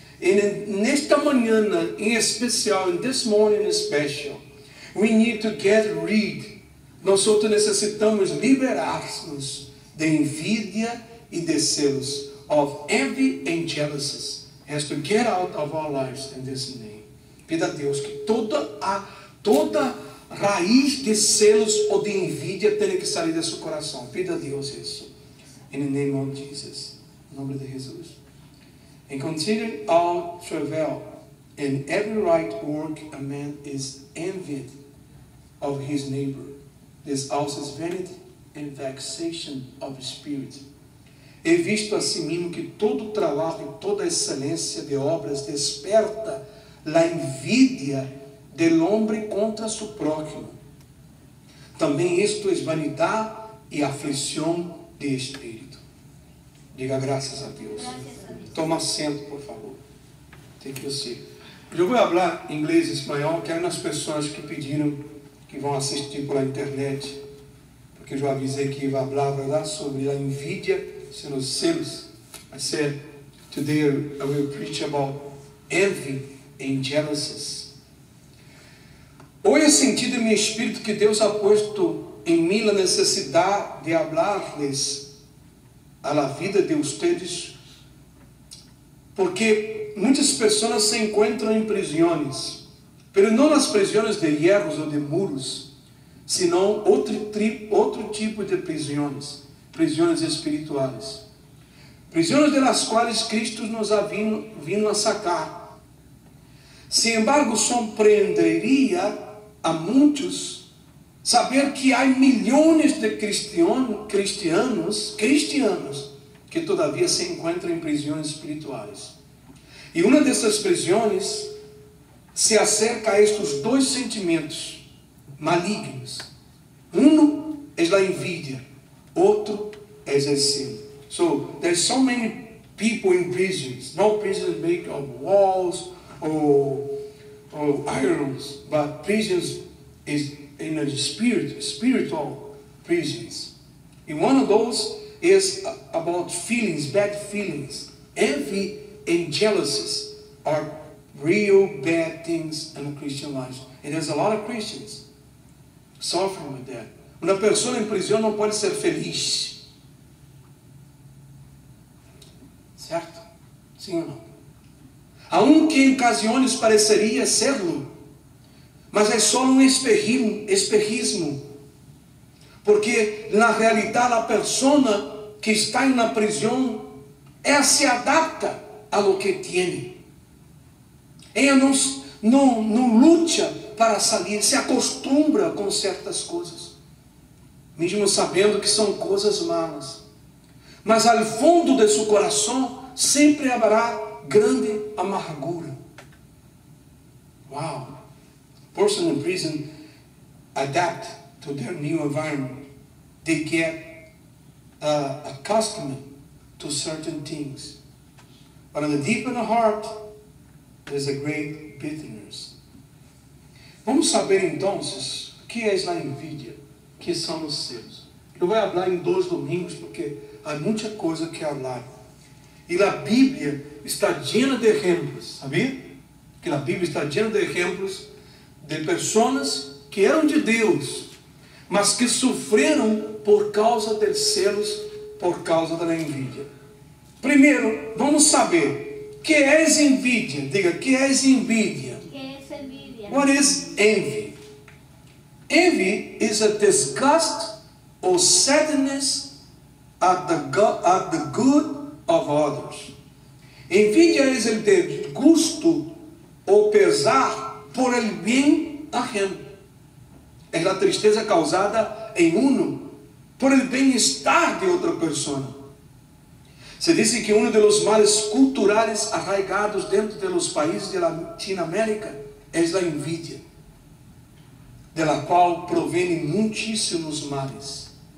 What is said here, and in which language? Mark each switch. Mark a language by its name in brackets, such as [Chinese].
[Portuguese] E nesta manhã, em especial, [English] in this morning special, we need to get rid. [Portuguese] Nós necessitamos liberar-nos de envidia e de celos, [English] of envy and jealousies. Has to get out of our lives in this name. [Portuguese] Pida a Deus que toda raiz de celos ou de envidia tenha que sair do seu coração. Pida a Deus isso. [English] In the name of Jesus. [Portuguese] Em nome de Jesus. [English] And continue all travail in every right work a man is envied of his neighbor. This also is vanity and vexation of spirit. [Portuguese] E visto a si mesmo que todo trabalho e toda excelência de obras desperta [Spanish] la envidia del hombre contra su prójimo. [Portuguese] Também isto é vanidade e aflição de espírito. Diga graças a Deus. Toma assento, por favor. Tem que ser. Eu vou falar inglês e espanhol, que é nas pessoas que pediram que vão assistir pela internet, porque eu avisei que ia falar sobre a envidia, sendo os celos. [English] I said, today I will preach about envy and jealousies. [Portuguese] Hoje eu senti no meu espírito que Deus ha posto em mim a necessidade de falar-lhes à vida de vocês. Porque muitas pessoas se encontram em prisões, mas não nas prisões de hierros ou de muros, senão outro tipo de prisões, prisões espirituais. Prisões das quais Cristo nos ha vindo a sacar. Sin embargo, surpreenderia a muitos saber que há milhões de cristianos que todavia se encontram em prisões espirituais. E uma dessas prisões se acerca a estes dois sentimentos malignos. Um é a envidia, outro é o celo. [English] So, there's so many people in prisons, not prisons made of walls or irons, but prisons is in a spiritual prisons. E one of those is about feelings, bad feelings, envy. And jealousies are real bad things in a Christian life. And there's a lot of Christians suffering with that. [Portuguese] Uma pessoa em prisão não pode ser feliz. Certo? Sim ou não? Há que em ocasiões pareceria serlo, mas é só espejismo. Porque na realidade, a pessoa que está na prisão ela se adapta [Spanish] a lo que tiene. [Portuguese] Ella não [Spanish] lucha para salir, se acostumbra [Portuguese] com certas coisas, mesmo sabendo que são coisas malas. Mas al fundo de seu coração sempre haverá grande amargura. Wow. [English] Person in prison adapt to their new environment. They get accustomed to certain things. But in the deep in the heart, there's a great bitterness. [Portuguese] Vamos saber então o que é a envidia, o que são os celos. Eu vou falar em dois domingos, porque há muita coisa que falar. E a Bíblia está cheia de exemplos, sabia? Que a Bíblia está cheia de exemplos de pessoas que eram de Deus, mas que sofreram por causa dos celos, por causa da envidia. Primeiro, vamos saber o que é envidia. Diga, o que é envidia? O que é envidia? [English] What is envy? Envy is a disgust or sadness at the good of others. [Portuguese] Envidia é o desgosto ou pesar [Spanish] por el bien ajeno. [Portuguese] É a tristeza causada em uno [Spanish] por el [Portuguese] bem-estar de outra pessoa. Se diz que um dos males culturais arraigados dentro dos países de Latinoamérica é a inveja, de la qual provêm muitíssimos males.